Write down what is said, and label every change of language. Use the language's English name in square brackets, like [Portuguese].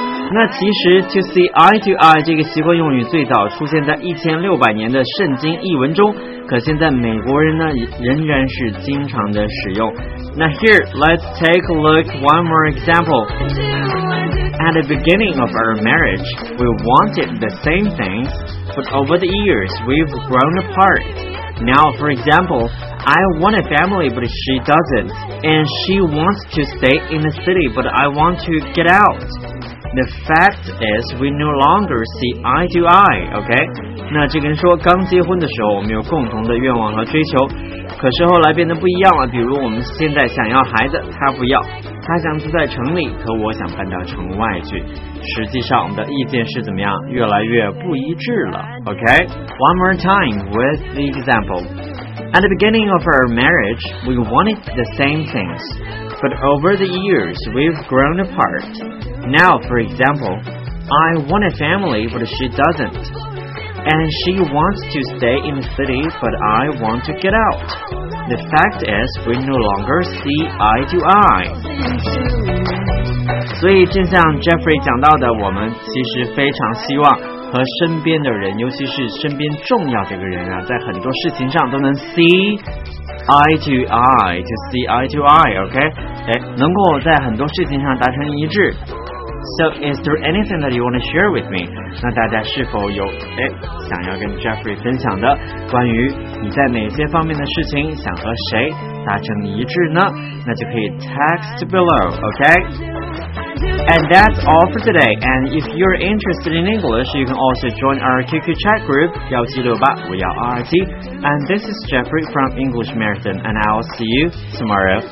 [Chinese] 那其实 to see eye to eye 这个习惯用语最早出现在1600年的圣经译文中，可现在美国人呢仍然是经常的使用。那 [English] here let's take a look one more example. At the beginning of our marriage, we wanted the same things, but over the years we've grown apart. Now, for example. I want a family, but she doesn't. And she wants to stay in the city, but I want to get out. The fact is, we no longer see eye to eye, okay? [Chinese] 那这个人说，刚结婚的时候，我们有共同的愿望和追求，可是后来变得不一样了。比如我们现在想要孩子，他不要，他想住在城里，可我想搬到城外去。实际上我们的意见是怎么样？越来越不一致了， [English] okay? One more time with the example. At the beginning of our marriage, we wanted the same things, but over the years, we've grown apart. Now, for example, I want a family, but she doesn't. And she wants to stay in the city, but I want to get out. The fact is, we no longer see eye to eye. [Chinese] 所以就像 Jeffrey 讲到的，我们其实非常希望和身边的人，尤其是身边重要这个人啊，在很多事情上都能 see eye to eye， 就 see eye to eye， OK， 哎，能够在很多事情上达成一致。 [English] So is there anything that you want to share with me? [Chinese] 那大家是否有想要跟 Jeffrey 分享的关于你在哪些方面的事情想和谁达成一致呢？那就可以 [English] text below， OK。 And that's all for today. And if you're interested in English, you can also join our QQ chat group 1768-5127. And this is Jeffrey from English Marathon, and I'll see you tomorrow.